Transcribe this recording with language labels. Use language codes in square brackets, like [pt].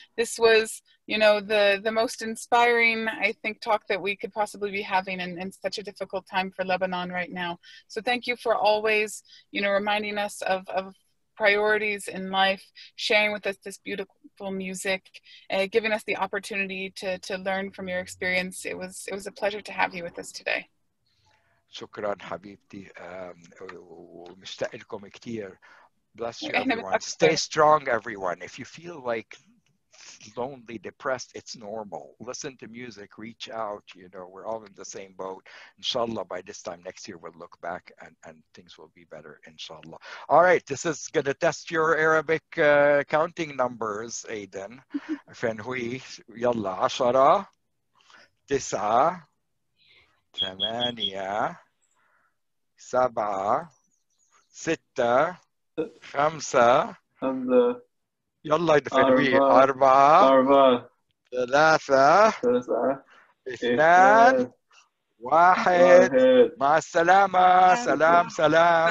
[en] This was, you know, the most inspiring, I think, talk that we could possibly be having in such a difficult time for Lebanon right now. So thank you for always, you know, reminding us of priorities in life, sharing with us this beautiful music, giving us the opportunity to learn from your experience. It was a pleasure to have you with us today. Shukran, habibti. [ar] ومشتاق لكم كتير. [en] Bless you, everyone. Stay strong, everyone. If you feel like lonely, depressed, it's normal. Listen to music, reach out. You know, we're all in the same boat. Inshallah, by this time next year, we'll look back and things will be better, inshallah. All right, this is going to test your Arabic counting numbers, Aiden. [ar] Fenhui, yalla, ashara, tisa, tamania, sabah, sitta, khamsa, يلا دفنوي أربعة ثلاثة اثنان واحد مع السلامة سلام سلام